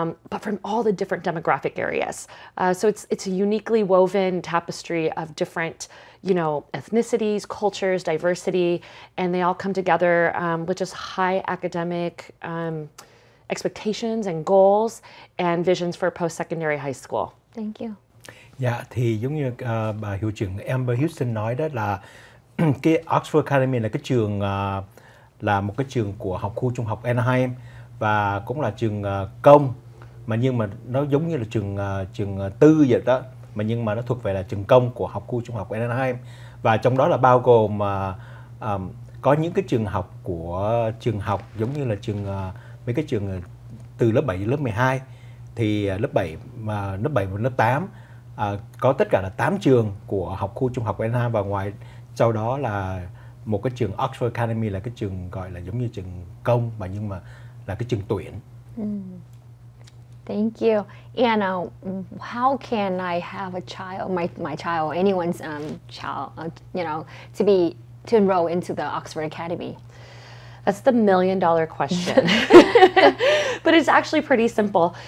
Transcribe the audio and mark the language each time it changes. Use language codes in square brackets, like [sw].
[en] But from all the different demographic areas. So it's a uniquely woven tapestry of different, you know, ethnicities, cultures, diversity, and they all come together with just high academic expectations and goals and visions for post-secondary high school. Thank you. [vi] Dạ, yeah, thì giống như bà hiệu trưởng Amber Houston nói đó là cái Oxford Academy là cái trường là một cái trường của học khu trung học Anaheim và cũng là trường công mà nhưng mà nó giống như là trường tư vậy đó mà nhưng mà nó thuộc về là trường công của học khu trung học Anaheim và trong đó là bao gồm có những cái trường học của trường học giống như là trường mấy cái trường từ lớp 7 đến lớp 12 thì lớp 7 và lớp 8 có tất cả là 8 trường của học khu trung học Anaheim và ngoài sau đó là một cái trường Oxford Academy là cái trường gọi là giống như trường công mà nhưng mà là cái trường tuyển. [en] Thank you. And how can I have a child, my child, anyone's child, you know, to enroll into the Oxford Academy? That's the million-dollar question. But it's actually pretty simple.